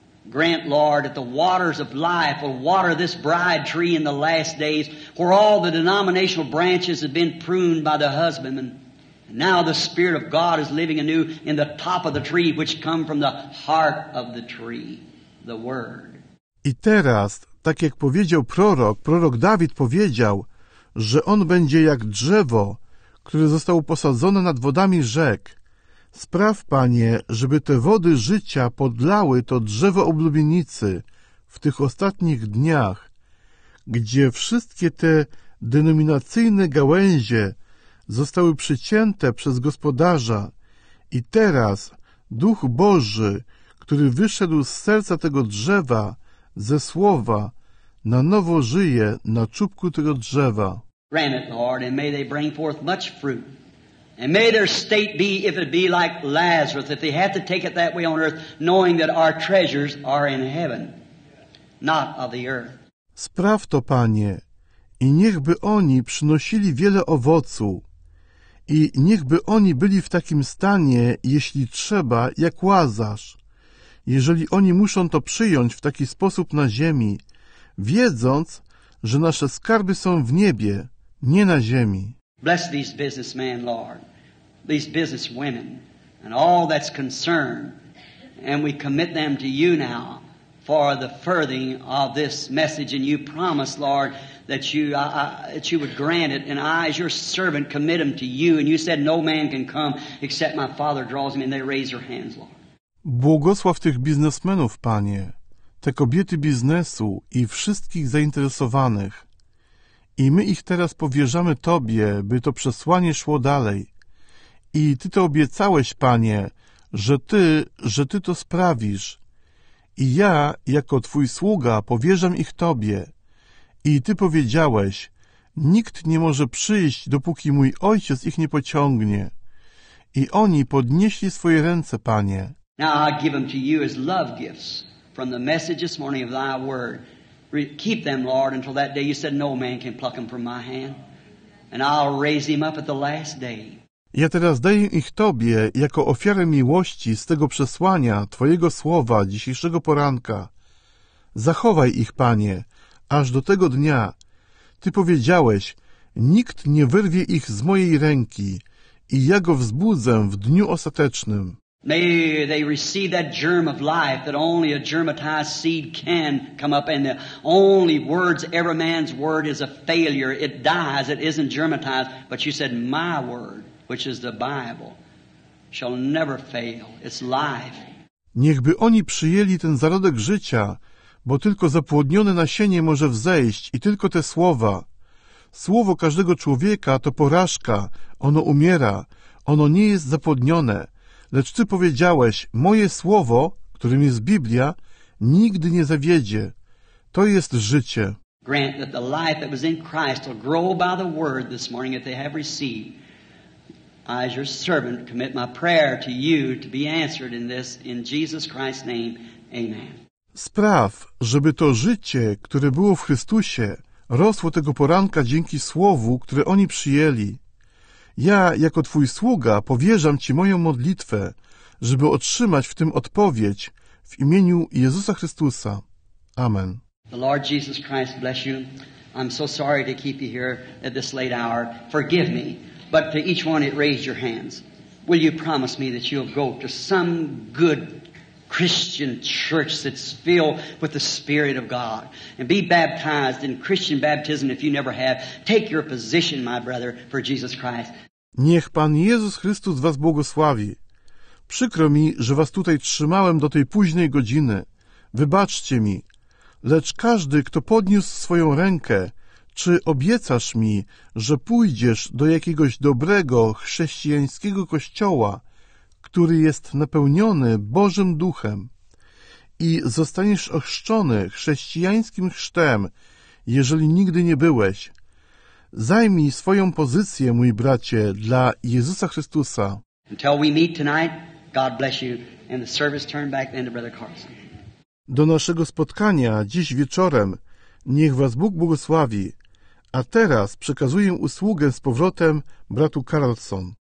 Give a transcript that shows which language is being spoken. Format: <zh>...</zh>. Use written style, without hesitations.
<en>Grant, Lord, that the waters of life will water this bride tree in the last days, where all the denominational branches have been pruned by the husbandman. And now the Spirit of God is living anew in the top of the tree, which come from the heart of the tree, the Word.</en> <pl>I teraz, tak jak powiedział prorok Dawid powiedział, że on będzie jak drzewo, które zostało posadzone nad wodami rzek. Spraw, Panie, żeby te wody życia podlały to drzewo oblubienicy w tych ostatnich dniach, gdzie wszystkie te denominacyjne gałęzie zostały przycięte przez gospodarza i teraz Duch Boży, który wyszedł z serca tego drzewa, ze słowa, na nowo żyje na czubku tego drzewa.</pl> <en>Grant it, Lord, and may they bring forth much fruit. And may their state be, if it be like Lazarus, if they have to take it that way on earth, knowing that our treasures are in heaven, not of the earth.</en> <pl>Spraw to, Panie, i niechby oni przynosili wiele owocu, i niechby oni byli w takim stanie, jeśli trzeba, jak Łazarz. Jeżeli oni muszą to przyjąć w taki sposób na ziemi, wiedząc, że nasze skarby są w niebie, nie na ziemi.</pl> <en>Bless these businessmen, Lord, these business women, and all that's concerned, and we commit them to you now for the furthering of this message. And you promise, Lord, that you would grant it. And I, as your servant, commit them to you. And you said, no man can come except my Father draws him. And they raise their hands, Lord.</en> <pl>Błogosław tych biznesmenów, Panie, te kobiety biznesu i wszystkich zainteresowanych. I my ich teraz powierzamy Tobie, by to przesłanie szło dalej. I Ty to obiecałeś, Panie, że Ty to sprawisz. I ja, jako Twój sługa, powierzam ich Tobie. I Ty powiedziałeś, nikt nie może przyjść, dopóki mój Ojciec ich nie pociągnie. I oni podnieśli swoje ręce, Panie.</pl> <en>Now I give them to you as love gifts from the message this morning of thy word. Keep them, Lord, until that day you said, no man can pluck them from my hand. And I'll raise him up at the last day.</en> <pl>Ja teraz daję ich Tobie jako ofiarę miłości z tego przesłania Twojego słowa dzisiejszego poranka. Zachowaj ich, Panie, aż do tego dnia. Ty powiedziałeś, nikt nie wyrwie ich z mojej ręki i ja go wzbudzę w dniu ostatecznym.</pl> <en>May they receive that germ of life that only a germatized seed can come up, and the only words ever man's word is a failure. It dies, it isn't germatized, but you said my word, which is the Bible, shall never fail. It's life.</en> <pl>Niechby oni przyjęli ten zarodek życia, bo tylko zapłodnione nasienie może wzejść i tylko te słowa. Słowo każdego człowieka to porażka, ono umiera, ono nie jest zapłodnione. Lecz Ty powiedziałeś, moje słowo, którym jest Biblia, nigdy nie zawiedzie. To jest życie.</pl> <en>Grant that the life that was in Christ will grow by the word this morning if they have received. I, as your servant, commit my prayer to you to be answered in this, in Jesus Christ's name. Amen.</en> <pl>Spraw, żeby to życie, które było w Chrystusie, rosło tego poranka dzięki słowu, które oni przyjęli. Ja, jako Twój sługa, powierzam Ci moją modlitwę, żeby otrzymać w tym odpowiedź w imieniu Jezusa Chrystusa. Amen.</pl> <en>The Lord Jesus Christ bless you. I'm so sorry to keep you here at this late hour. Forgive me, but to each one it raised your hands. Will you promise me that you'll go to some good Christian church that's filled with the Spirit of God and be baptized in Christian baptism if you never have. Take your position, my brother, for Jesus Christ.</en> <pl>Niech Pan Jezus Chrystus was błogosławi. Przykro mi, że was tutaj trzymałem do tej późnej godziny. Wybaczcie mi. Lecz każdy, kto podniósł swoją rękę, czy obiecasz mi, że pójdziesz do jakiegoś dobrego chrześcijańskiego kościoła, który jest napełniony Bożym Duchem i zostaniesz ochrzczony chrześcijańskim chrztem, jeżeli nigdy nie byłeś. Zajmij swoją pozycję, mój bracie, dla Jezusa Chrystusa.</pl> <en>Until we meet tonight, God bless you, and the service turned back then to Brother Carson.</en> <pl>Do naszego spotkania dziś wieczorem niech was Bóg błogosławi, a teraz przekazuję usługę z powrotem bratu Carlson.</pl>